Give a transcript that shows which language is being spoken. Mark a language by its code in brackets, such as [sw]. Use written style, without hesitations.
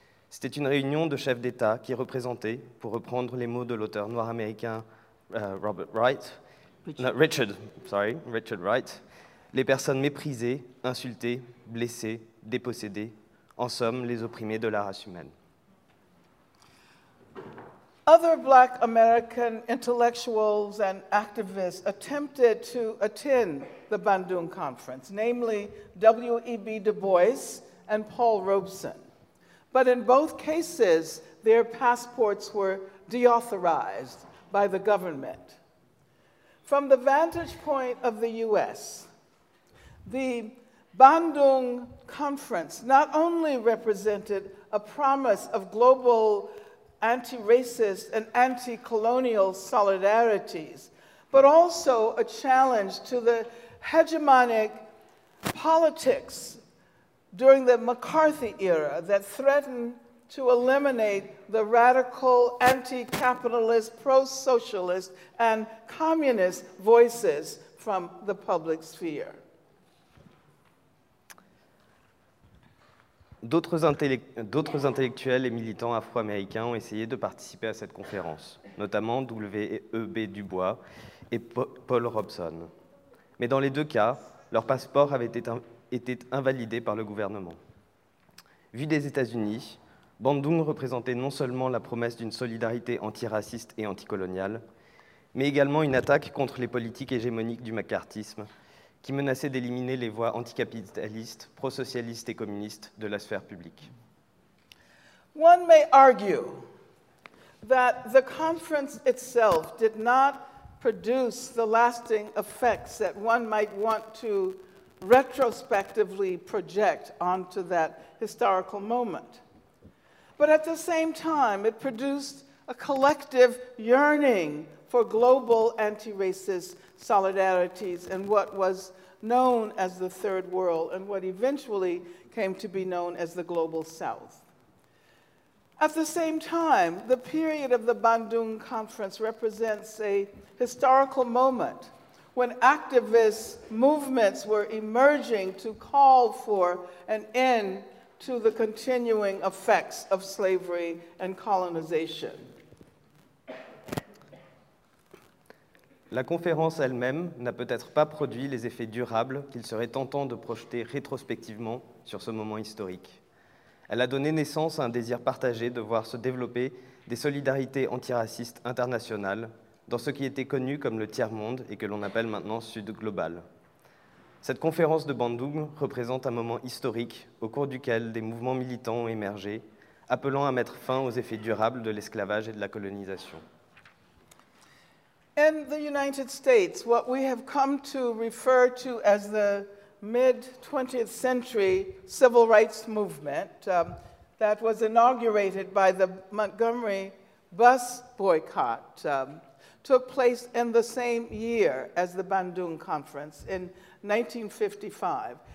[fr] C'était une réunion de chefs d'État qui représentait, pour reprendre les mots de l'auteur noir américain Richard Wright, les personnes méprisées, insultées, blessées, dépossédées, en somme, les opprimées de la race humaine. [en] Other Black American intellectuals and activists attempted to attend the Bandung Conference, namely W.E.B. Du Bois and Paul Robeson. But in both cases, their passports were deauthorized by the government. From the vantage point of the U.S., the Bandung Conference not only represented a promise of global anti-racist and anti-colonial solidarities, but also a challenge to the hegemonic politics during the McCarthy era that threatened to eliminate the radical anti-capitalist, pro-socialist, and communist voices from the public sphere. [fr] D'autres intellectuels et militants afro-américains ont essayé de participer à cette conférence, notamment W.E.B. Du Bois et Paul Robeson. Mais dans les deux cas, leur passeport avait été invalidé par le gouvernement. Vu des États-Unis, Bandung représentait non seulement la promesse d'une solidarité antiraciste et anticoloniale, mais également une attaque contre les politiques hégémoniques du McCarthyisme, qui menaçait d'éliminer les voix anticapitalistes, pro-socialistes et communistes de la sphère publique. [en] One may argue that the conference itself did not produce the lasting effects that one might want to retrospectively project onto that historical moment. But at the same time, it produced a collective yearning for global anti-racist solidarities and what was known as the Third World and what eventually came to be known as the Global South. At the same time, the period of the Bandung Conference represents a historical moment when activist movements were emerging to call for an end to the continuing effects of slavery and colonization. [fr] La conférence elle-même n'a peut-être pas produit les effets durables qu'il serait tentant de projeter rétrospectivement sur ce moment historique. Elle a donné naissance à un désir partagé de voir se développer des solidarités antiracistes internationales dans ce qui était connu comme le tiers-monde et que l'on appelle maintenant Sud Global. Cette conférence de Bandung représente un moment historique au cours duquel des mouvements militants ont émergé, appelant à mettre fin aux effets durables de l'esclavage et de la colonisation. [en] In the United States, what we have come to refer to as the mid-20th century civil rights movement that was inaugurated by the Montgomery bus boycott took place in the same year as the Bandung Conference in 1955.